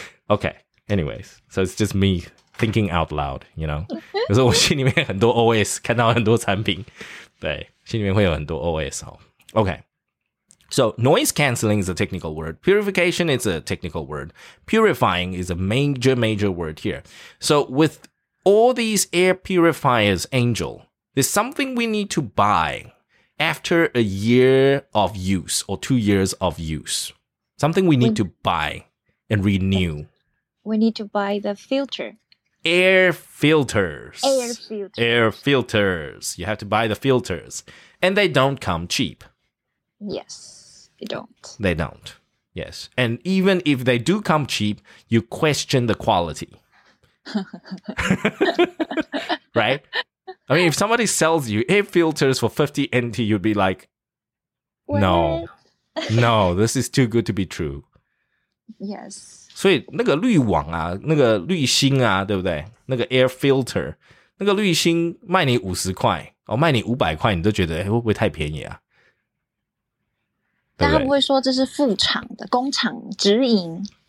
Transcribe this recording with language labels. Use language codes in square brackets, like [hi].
[en] Okay, anyways, so it's just me thinking out loud, you know? [zh] 有时候我心里面很多 OS, 看到很多产品，对，心里面会有很多 OS 哦。 [en] Okay. So noise cancelling is a technical word. Purification is a technical word. Purifying is a major, major word here. So with all these air purifiers, Angel, there's something we need to buy after a year of use or 2 years of use. Something we need to buy and renew. We need to buy the filter. Air filters. Air filters. Air filters. You have to buy the filters. And they don't come cheap. Yes. They don't. They don't. Yes. And even if they do come cheap, you question the quality. Right? I mean, if somebody sells you air filters for 50 NT, you'd be like, no. No, this is too good to be true. Yes. [zh] 所以那个滤网啊，那个滤芯啊，对不对？那个 air filter, 那个滤芯卖你50块，哦，卖你500块，你都觉得，哎，会不会太便宜啊？但他不会说这是副厂的工厂直营。